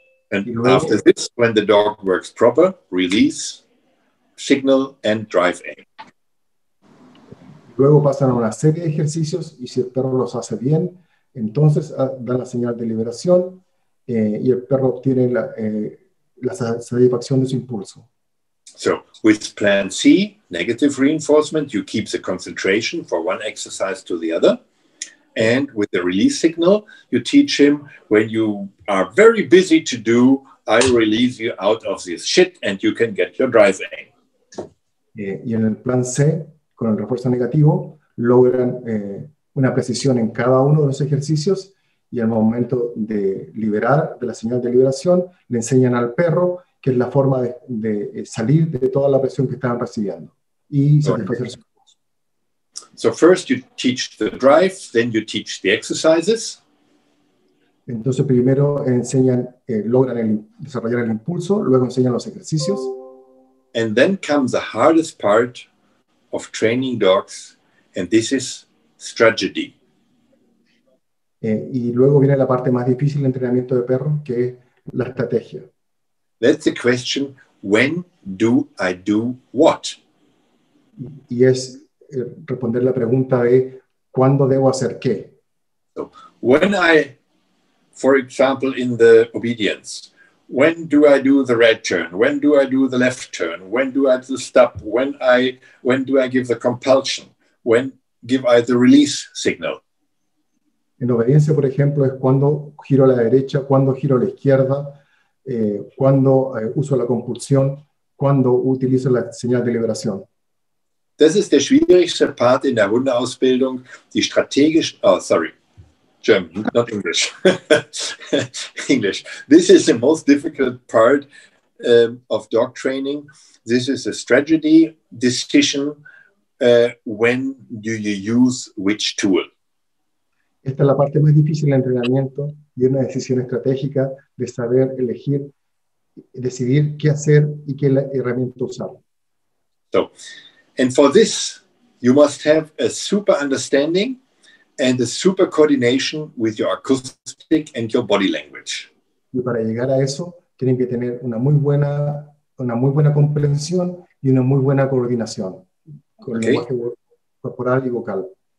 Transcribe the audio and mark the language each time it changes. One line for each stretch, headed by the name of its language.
English: And luego, after this, when the dog works proper, release, signal and drive aim.
Spanish: Luego pasan a una serie de ejercicios y si el perro los hace bien, entonces da la señal de liberación y el perro obtiene la satisfacción de su impulso.
English: So, with plan C, negative reinforcement, you keep the concentration for one exercise to the other. And with the release signal, you teach him when you are very busy to do, I release you out of this shit and you can get your drive aim.
Spanish: Y en el plan C, con el refuerzo negativo, logran una precisión en cada uno de los ejercicios y al momento de liberar, de la señal de liberación, le enseñan al perro que es la forma de salir de toda la presión que estaban recibiendo y satisfacer su impulso.
English: So first you teach the drive, then you teach the exercises.
Spanish: Entonces primero enseñan, logran desarrollar el impulso, luego enseñan los ejercicios.
English: And then comes the hardest part of training dogs, and this is strategy.
Spanish: Y luego viene la parte más difícil del entrenamiento de perro, que es la estrategia.
English: That's the question, when do I do what?
Spanish: Y es responder la pregunta de ¿cuándo debo hacer qué?
English: So, when I, for example, in the obedience, when do I do the red turn? When do I do the left turn? When do I do the stop? When do I give the compulsion? When give I the release signal?
Spanish: En obediencia, por ejemplo, es cuando giro a la derecha, cuando giro a la izquierda, cuando uso la compulsión, cuando utilizo la señal de liberación.
German: Das ist der schwierigste Part in der Hundeausbildung, die strategische, English.
English: This is the most difficult part of dog training. This is a strategy decision, when do you use which tool.
Spanish: Esta es la parte más difícil del entrenamiento y una decisión estratégica de saber elegir, decidir qué hacer y qué herramienta usar.
English: So, and for this, you must have a super understanding and the super coordination with your acoustic and your body language.
Spanish: Y para llegar a eso, tienen que tener una muy buena comprensión y una muy buena coordinación con el lenguaje corporal y vocal.